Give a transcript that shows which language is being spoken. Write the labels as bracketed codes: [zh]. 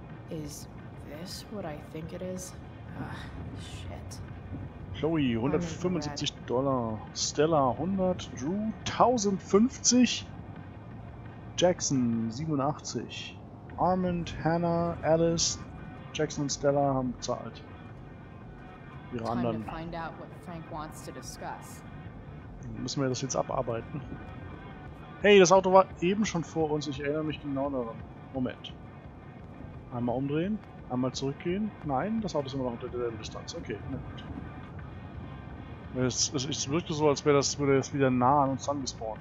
[en] Is this what I think it is? Ugh, shit. Chloe, $175. Stella, 100. Drew, 1050. Jackson, 87. [de] Armand, Hannah, Alice, Jackson und Stella haben bezahlt. Ihre anderen. [en] Time to find out what Frank wants to discuss. [de] Müssen wir das jetzt abarbeiten? Hey, das Auto war eben schon vor uns. Ich erinnere mich genau daran. Moment. Einmal umdrehen. Einmal zurückgehen. Nein, das Auto ist immer noch unter derselben Distanz. Okay, na gut. Es wirkt so, als wäre würde jetzt wieder nah an uns angespawnt.